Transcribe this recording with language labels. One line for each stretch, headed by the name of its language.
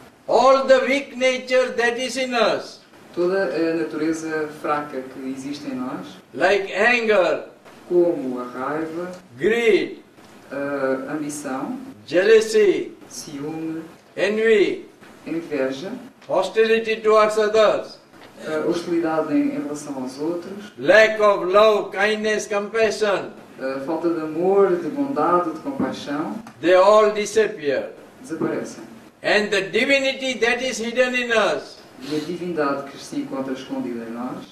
English: All the weak nature that is in us,
Portuguese: toda a natureza fraca que existe em nós,
English: like anger,
Portuguese: como a raiva,
English: greed,
Portuguese: ambição,
English: jealousy,
Portuguese: ciúme,
English: envy,
Portuguese: inveja,
English: hostility towards others,
Portuguese: hostilidade em relação aos outros,
English: lack of love, kindness, compassion,
Portuguese: falta de amor, de bondade, de compaixão,
English: they all disappear,
Portuguese: desaparecem.
English: And the divinity that is hidden in us,
Portuguese: e a divindade que se encontra escondida em nós,